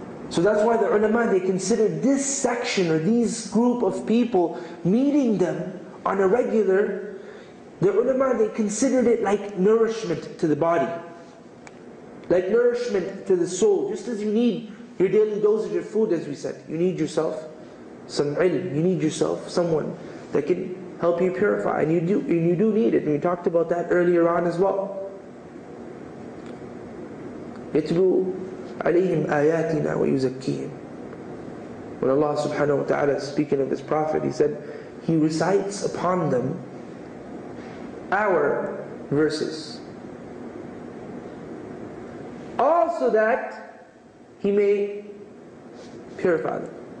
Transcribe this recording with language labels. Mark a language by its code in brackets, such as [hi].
[en] So that's why the ulama, they consider this section or these group of people, meeting them on a regular, the ulama, they considered it like nourishment to the body, like nourishment to the soul. Just as you need your daily dosage of food, as we said, you need yourself some ilm, you need yourself someone that can help you purify, and you do need it. And we talked about that earlier on as well. [ar] يتلو عليهم آياتنا ويزكيهم. [en] When Allah subhanahu wa ta'ala, speaking of this Prophet, he said, he recites upon them our verses, also that he may purify them.